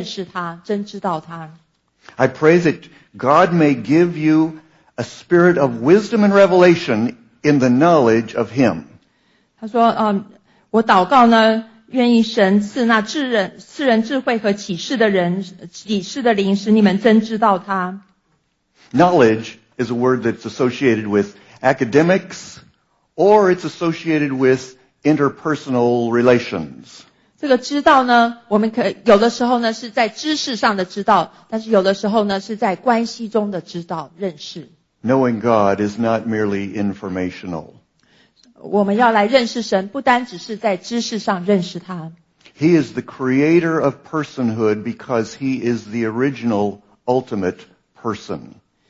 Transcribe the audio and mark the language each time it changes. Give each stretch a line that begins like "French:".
Chinese: 让我来把它简化一下。在这里呢，保罗主要的祷告呢，就是让我们能够真认识他，真知道他。
English: I pray that God may give you a spirit of wisdom and revelation in the knowledge of Him.
Chinese: 他说，我祷告呢。愿意神赐那智人智慧和启示的人启示的灵使你们真知道他。
English: Knowledge is a word that's associated with academics or it's associated with interpersonal relations.
Chinese: 这个知道呢，我们可有的时候呢是在知识上的知道，但是有的时候呢是在关系中的知道认识。
English: Knowing God is not merely informational.
Chinese: 我们要来认识神，不单只是在知识上认识他。
English: He is the creator of personhood because he is the original ultimate person.